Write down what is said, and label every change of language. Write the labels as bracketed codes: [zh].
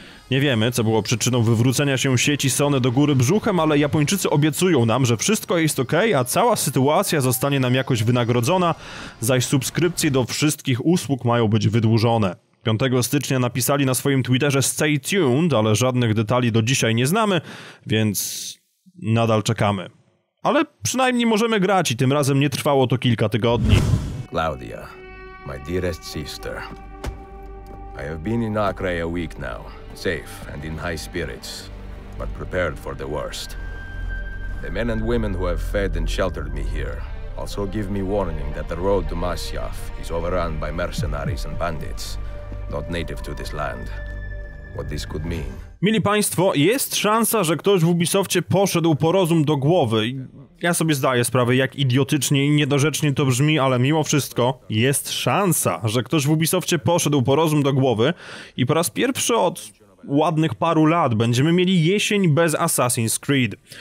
[pl] Nie wiemy, co było przyczyną wywrócenia się sieci Sony do góry brzuchem, ale Japończycy obiecują nam, że wszystko jest okej, a cała sytuacja zostanie nam jakoś wynagrodzona, zaś subskrypcje do wszystkich usług mają być wydłużone. 5 stycznia napisali na swoim Twitterze [en] stay tuned, [pl] ale żadnych detali do dzisiaj nie znamy, więc nadal czekamy. Ale przynajmniej możemy grać i tym razem nie trwało to kilka tygodni. [en] Claudia, my dearest sister. I have been in Accra a week now, safe and in high spirits, but prepared for the worst. The men and women who have fed and sheltered me here also give me warning that the road to Masyaf is overrun by mercenaries and bandits. Not native to this land. What this could mean. [pl] Mili państwo, jest szansa, że ktoś w Ubisoftie poszedł po rozum do głowy. Ja sobie zdaję sprawę, jak idiotycznie i niedorzecznie to brzmi, ale mimo wszystko jest szansa, że ktoś w Ubisoftie poszedł po rozum do głowy i po raz pierwszy od ładnych paru lat będziemy mieli jesień bez Assassin's Creed.